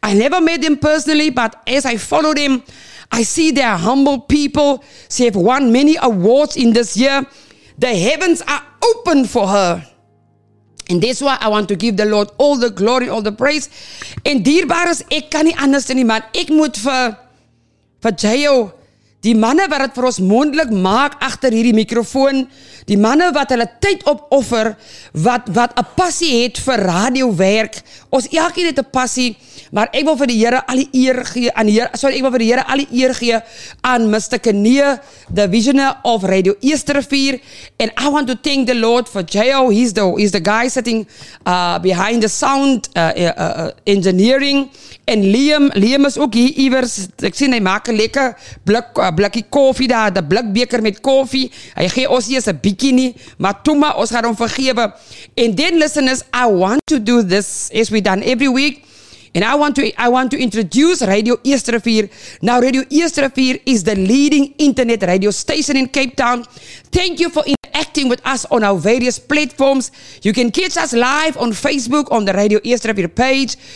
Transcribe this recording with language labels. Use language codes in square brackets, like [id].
[en] I never met them personally, but as I follow them, I see they are humble people. She have won many awards in this year. The heavens are open for her. And that's why I want to give the Lord all the glory, all the praise. [af] And dierbares, ek kan nie anders nie, man. Ek moet vir Jayo... Die manne wat het vir ons moontlik maak agter hierdie mikrofoon, die manne wat hulle tyd opoffer, wat 'n passie het vir radiowerk. Ons elkeen het 'n passie, maar ek wil vir die Here al die eer gee aan die Here, sorry, ek wil vir die Here al die eer gee aan Mr. [en] Kenee, the visioner of Radio Eersterivier, and I want to thank the Lord for Jo. He's the guy sitting behind the sound engineering, [af] en Liam is ook hier iewers. Ek sien hy maak 'n lekker blik blikkie koffie daar, die blikbeker met koffie, hy gee ons nie eens 'n bietjie nie, maar toe maar, ons gaan hom vergewe. [en] And then listeners, I want to do this, as we done every week, and I want to introduce Radio Eersterivier. Now Radio Eersterivier is the leading internet radio station in Cape Town. Thank you for interacting with us on our various platforms. You can catch us live on Facebook on the Radio Eersterivier page.